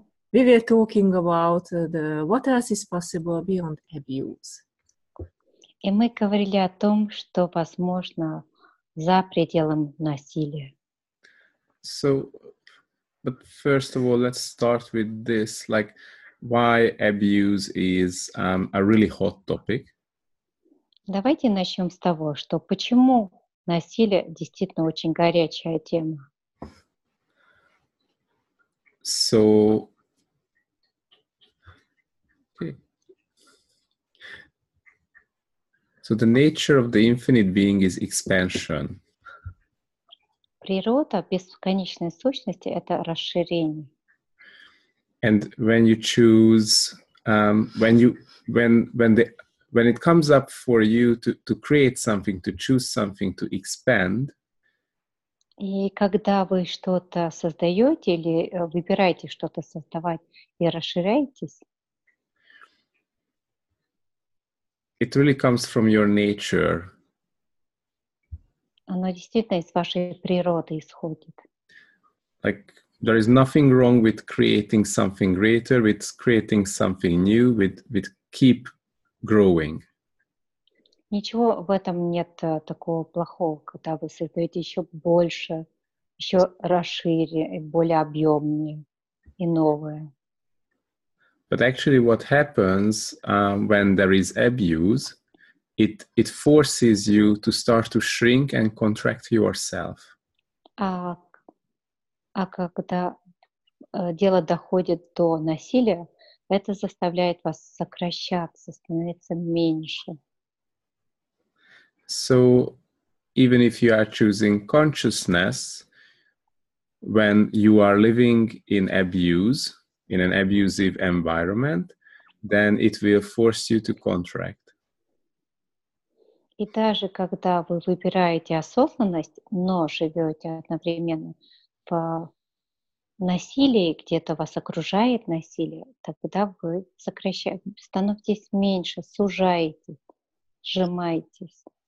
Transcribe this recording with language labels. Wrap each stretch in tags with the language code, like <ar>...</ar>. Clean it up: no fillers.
<en>We were talking about the what else is possible beyond abuse.</en> <ru>И мы говорили о том, что возможно за пределом насилия.</ru> <en>So, but first of all, let's start with this, like, why abuse is a really hot topic.</en> <ru>Давайте начнем с того, что почему насилие действительно очень горячая тема.</ru> <en>So, so the nature of the infinite being is expansion.</en> <ru>Природа бесконечной сущности — это расширение.</ru> <en>And when you choose, when it comes up for you to create something, to choose something, to expand.</en> <ru>И когда вы что-то создаете или выбираете что-то создавать и расширяетесь.</ru> <en>It really comes from your nature.</en> <ru>Оно действительно из вашей природы исходит.</ru> <en>Like, there is nothing wrong with creating something greater, with creating something new, with keep growing.</en> <ru>Ничего в этом нет такого плохого, когда вы создаете еще больше, еще расшире, более объемнее и новое.</ru> <en>But actually what happens when there is abuse, it forces you to start to shrink and contract yourself.</en> <ru>А когда дело доходит до насилия, это заставляет вас сокращаться, становиться меньше.</ru> <en>So even if you are choosing consciousness, when you are living in abuse, in an abusive environment, then it will force you to contract.</en> <ru>И даже когда вы выбираете осознанность, но живете одновременно в насилии, где-то вас окружает насилие, тогда вы сокращаете, становитесь меньше, сужаетесь, сжимаетесь.</ru>